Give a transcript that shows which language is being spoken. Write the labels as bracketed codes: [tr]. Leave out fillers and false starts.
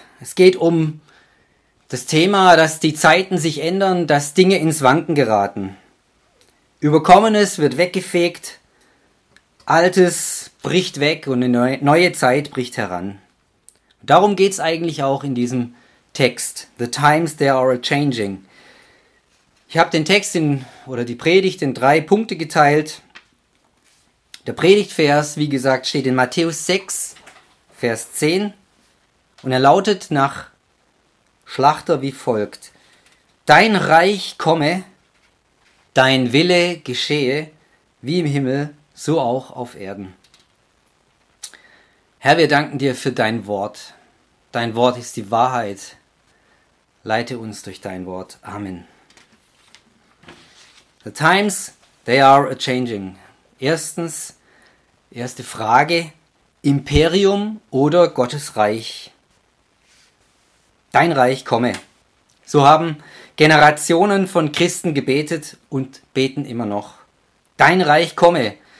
[de] Es geht um das Thema, dass die Zeiten sich ändern, dass Dinge ins Wanken geraten. Überkommenes wird weggefegt, Altes bricht weg und eine neue Zeit bricht heran. Darum geht es eigentlich auch in diesem Text. [en] The times they are changing. [de] Ich habe den Text die Predigt in drei Punkte geteilt. Der Predigtvers, wie gesagt, steht in Matthäus 6, Vers 10. Und er lautet nach Schlachter wie folgt. Dein Reich komme, dein Wille geschehe, wie im Himmel, so auch auf Erden. Herr, wir danken dir für dein Wort. Dein Wort ist die Wahrheit. Leite uns durch dein Wort. Amen. [en] The times, they are a-changing. [de] Erstens, erste Frage, Imperium oder Gottes Reich? Dein Reich komme. So haben Generationen von Christen gebetet und beten immer noch. Dein Reich komme.